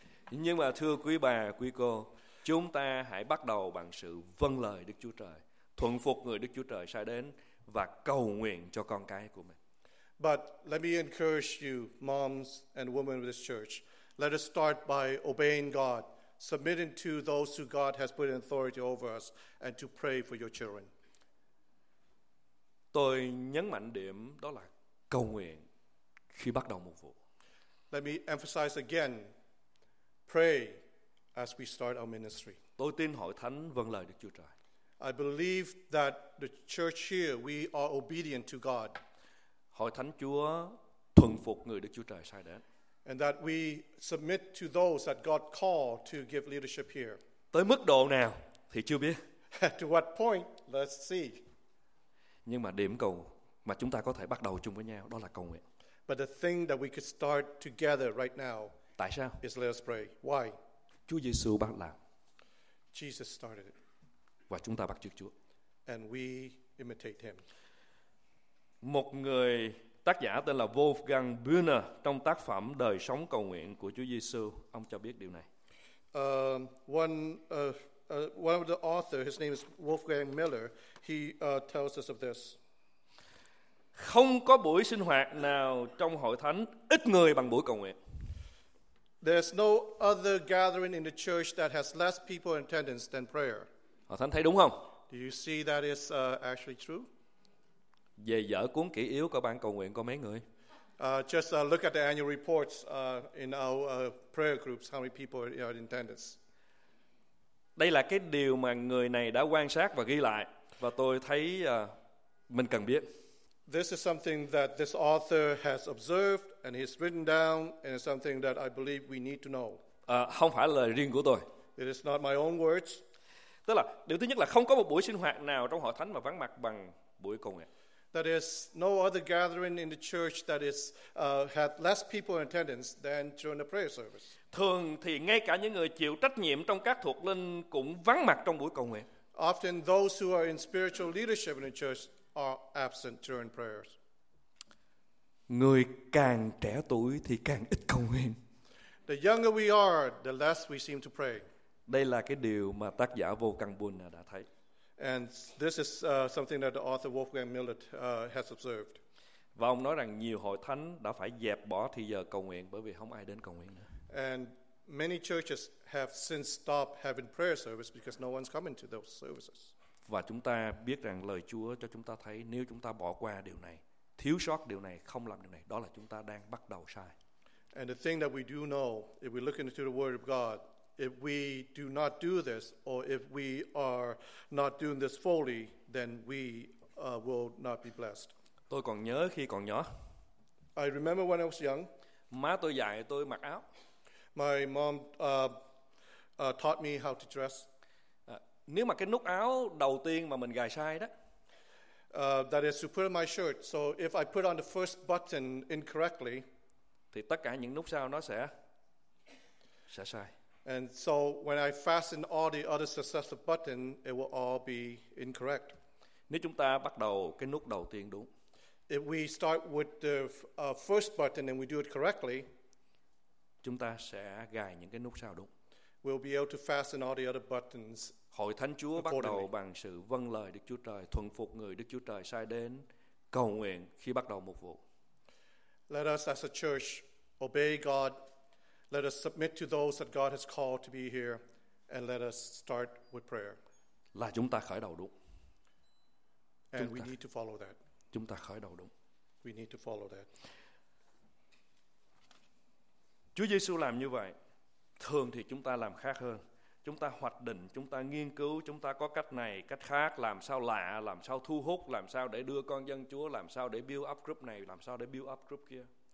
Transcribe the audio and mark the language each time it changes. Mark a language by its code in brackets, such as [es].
[vi] Nhưng mà thưa quý bà, quý cô, chúng ta hãy bắt đầu bằng sự vâng lời Đức Chúa Trời, thuận phục người Đức Chúa Trời sai đến và cầu nguyện cho con cái của mình. [en] But let me encourage you, moms and women of this church, let us start by obeying God, submitting to those who God has put in authority over us, and to pray for your children. [vi] Tôi nhấn mạnh điểm đó là cầu nguyện khi bắt đầu mục vụ. [en] Let me emphasize again, pray as we start our ministry. [vi] Tôi tin hội thánh vâng lời Đức Chúa Trời. [en] I believe that the church here, we are obedient to God. [vi] Hội thánh Chúa thuận phục người Đức Chúa Trời sai đến. [en] And that we submit to those that God called to give leadership here. [vi] Tới mức độ nào thì chưa biết. [en] To what point? Let's see. [vi] Nhưng mà điểm cầu mà chúng ta có thể bắt đầu chung với nhau đó là cầu nguyện. [en] But the thing that we could start together right now. [vi] Tại sao? [en] Is let us pray. Why? [vi] Chúa Giêsu bắt làm. [en] Jesus started it. [vi] Và chúng ta bắt chước Chúa. [en] And we imitate him. [vi] Một người tác giả tên là Wolfgang Bühner trong tác phẩm Đời sống cầu nguyện của Chúa Giêsu, ông cho biết điều này. [en] One of the author, his name is Wolfgang Miller. He tells us of this. [vi] Không có buổi sinh hoạt nào trong hội thánh ít người bằng buổi cầu nguyện. [en] There's no other gathering in the church that has less people in attendance than prayer. [vi] Hội thánh thấy đúng không? [en] Do you see that is actually true? [vi] Về dở cuốn kỷ yếu của bản cầu nguyện có mấy người? [en] Just look at the annual reports in our prayer groups, how many people are in attendance. [vi] Đây là cái điều mà người này đã quan sát và ghi lại và tôi thấy mình cần biết. [en] This is something that this author has observed and he's written down and it's something that I believe we need to know. [vi] Không phải là riêng của tôi. [en] It is not my own words. [vi] Tức là điều thứ nhất là không có một buổi sinh hoạt nào trong hội thánh mà vắng mặt bằng buổi cầu nguyện. [en] That is no other gathering in the church that is had less people in attendance than during the prayer service. [vi] Thường thì ngay cả những người chịu trách nhiệm trong các thuộc linh cũng vắng mặt trong buổi cầu nguyện. [en] Often those who are in spiritual leadership in the church are absent during prayers. [vi] Người càng trẻ tuổi thì càng ít cầu nguyện. [en] The younger we are, the less we seem to pray. [vi] Đây là cái điều mà tác giả Wolfgang Bühner đã thấy. [en] And this is something that the author Wolfgang Miller has observed. [vi] Và ông nói rằng nhiều hội thánh đã phải dẹp bỏ thì giờ cầu nguyện bởi vì không ai đến cầu nguyện nữa. [en] And many churches have since stopped having prayer service because no one's coming to those services. [vi] Và chúng ta biết rằng lời Chúa cho chúng ta thấy nếu chúng ta bỏ qua điều này, thiếu sót điều này, không làm điều này, đó là chúng ta đang bắt đầu sai. [en] And the thing that we do know, if we look into the word of God, if we do not do this, or if we are not doing this fully, then we will not be blessed. [vi] Tôi còn nhớ khi còn nhỏ. [en] I remember when I was young. [vi] Má tôi dạy tôi mặc áo. [en] My mom taught me how to dress. [vi] Nếu mà cái nút áo đầu tiên mà mình gài sai đó. [en] That is to put on my shirt. So if I put on the first button incorrectly. [vi] Thì tất cả những nút sau nó sẽ sai. [en] And so when I fasten all the other successive buttons, it will all be incorrect. [vi] Nếu chúng ta bắt đầu cái nút đầu tiên đúng. [en] If we start with the first button and we do it correctly. [vi] Chúng ta sẽ gài những cái nút sau đúng. [en] We'll be able to fasten all the other buttons. [vi] Hội Thánh Chúa bắt đầu bằng sự vâng lời Đức Chúa Trời, thuận phục người Đức Chúa Trời sai đến, cầu nguyện khi bắt đầu mục vụ. [en] Let us as a church obey God. Let us submit to those that God has called to be here. And let us start with prayer. [vi] Là chúng ta khởi đầu đúng. [en] And we need to follow that. [vi] Chúng ta khởi đầu đúng. [en] We need to follow that. [vi] Chúa Giêsu làm như vậy. Thường thì chúng ta làm khác hơn. Chúng ta hoạch định, chúng ta nghiên cứu, chúng ta có cách này, cách khác, làm sao lạ, làm sao thu hút, làm sao để đưa con dân Chúa, làm sao để [en] build up group [vi] này, làm sao để build up group kia.